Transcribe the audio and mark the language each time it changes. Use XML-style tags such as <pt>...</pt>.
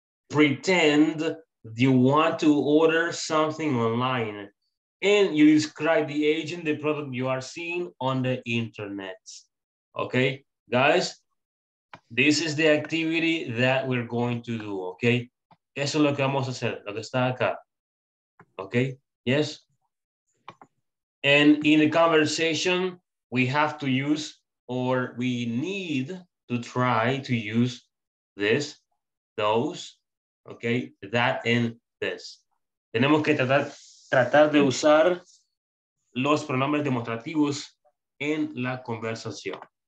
<en>Pretend you want to order something online and you describe the agent, the product you are seeing on the internet. Okay, guys, this is the activity that we're going to do, okay?</en> <es>Eso es lo que vamos a hacer, lo que está acá.</es> <en>Okay, yes. And in a conversation, we have to use or we need to try to use this, those, okay, that and this.</en> <es>Tenemos que tratar de usar los pronombres demostrativos en la conversación.</es>